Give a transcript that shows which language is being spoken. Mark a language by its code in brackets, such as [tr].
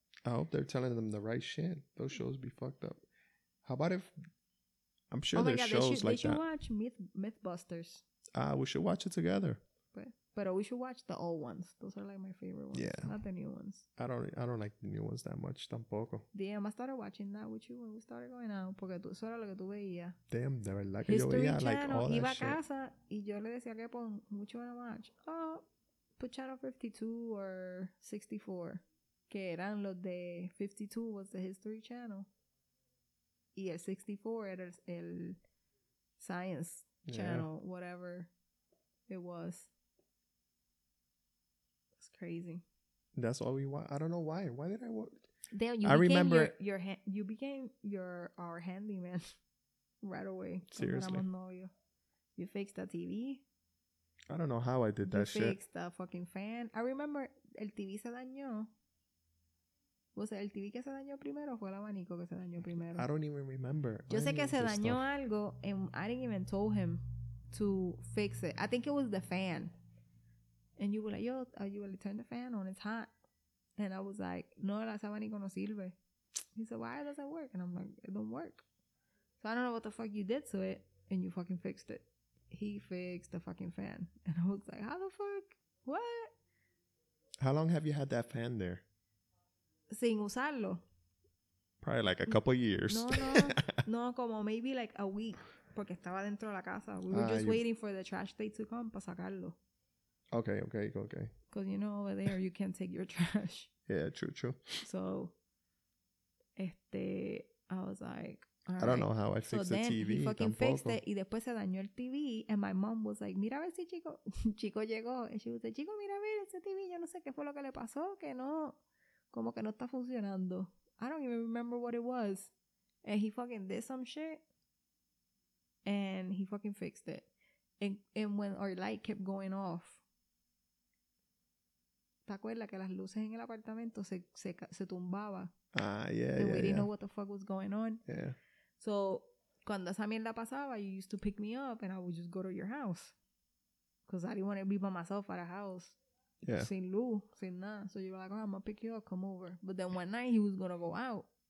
[en] I hope they're telling them the right shit. Those shows be fucked up. How about if... I'm sure there's shows like that. They should watch Mythbusters. We should watch it together. But we should watch the old ones. Those are like my favorite ones. Yeah. Not the new ones. I don't like the new ones that much [es] tampoco. [en] Damn, I started watching that with you when we started going out. [es] Porque eso era lo que tú veías. Damn, de verdad que History yo veía [en] like all that shit. [es] Iba a casa y yo le decía que pon mucho en la match. [en] Oh, put channel 52 or 64. [es] Que eran los de 52 [en] was the History Channel. [es] Y el 64 era el Science Channel, yeah. [en] Whatever it was. Crazy. That's all we want. I don't know why. Why did I work? Damn, you I remember your hand. You became your our handyman right away. Seriously. You fixed the TV. I don't know how I did you that shit. You fixed the fucking fan. I remember [es] el TV se dañó. [en] Was it [es] el TV que se dañó primero o fue el abanico que se dañó primero? [en] I don't even remember. [es] Yo sé que se dañó algo [en] and I didn't even told him to fix it. I think it was the fan. And you were like, yo, are you really turn the fan on? It's hot. And I was like, [es] no, la sabanico no sirve. [en] He said, why does that work? And I'm like, it don't work. So I don't know what the fuck you did to it. And you fucking fixed it. He fixed the fucking fan. And I was like, how the fuck? What? How long have you had that fan there? [es] Sin usarlo. [en] Probably like a couple years. No, como maybe like a week. [es] Porque estaba dentro de la casa. [en] We were just waiting for the trash day to come [es] para sacarlo. [en] Okay. Because, you know, over there, you can't take your trash. Yeah, true. So, I was like, I don't know how I fixed the TV. So then, he fucking [es] tampoco [en] fixed [es] it, y después se dañó el TV, [en] and my mom was like, [es] mira a ver si chico llegó. [en] And she was like, [es] chico, mira a ver ese TV, yo no sé qué fue lo que le pasó, que no, como que no está funcionando. [en] I don't even remember what it was. And he fucking did some shit, and he fucking fixed it. And when our light kept going off, [es] ¿te acuerdas que las luces en el apartamento se tumbaba? [en] Yeah. We didn't know what the fuck was going on. Yeah. So, [es] cuando esa mierda pasaba, [en] you used to pick me up and I would just go to your house. Because I didn't want to be by myself at a house. Yeah. [es] Sin luz, sin nada. [en] So, you were like, oh, I'm going to pick you up, come over. But then one night, he was going to go out.